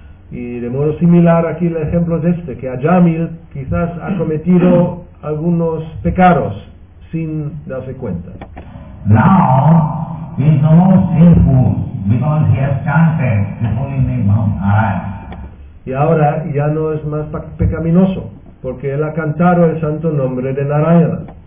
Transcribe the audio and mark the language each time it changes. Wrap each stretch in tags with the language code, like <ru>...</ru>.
<es>Y de modo similar aquí el ejemplo es este, que Ajamil quizás ha cometido algunos pecados sin darse cuenta.</es> <en>Now is no more sinful because he has chanted the holy name of Narayan.</en> <es>Y ahora ya no es más pecaminoso, porque él ha cantado el santo nombre de Narayana.</es>